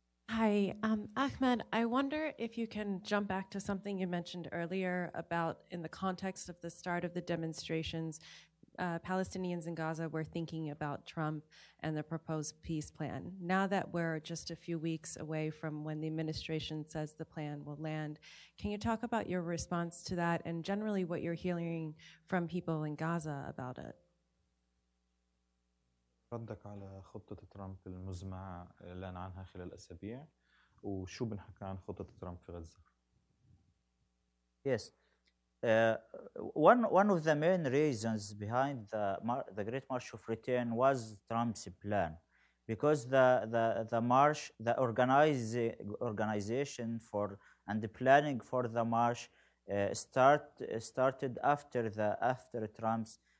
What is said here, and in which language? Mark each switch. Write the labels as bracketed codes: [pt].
[en] Hi, Ahmed, I wonder if you can jump back to something you mentioned earlier about in the context of the start of the demonstrations, Palestinians in Gaza were thinking about Trump and the proposed peace plan. Now that we're just a few weeks away from when the administration says the plan will land, can you talk about your response to that and generally what you're hearing from people in Gaza about it? [ar] ردك على خطة ترامب المزمع إعلان عنها خلال أسابيع وشو بنحكي عن خطة ترامب في غزة؟ [en] Yes, one of the main reasons behind the Great March of Return was Trump's plan, because the march, the organization for and the planning for the march started after Trump's.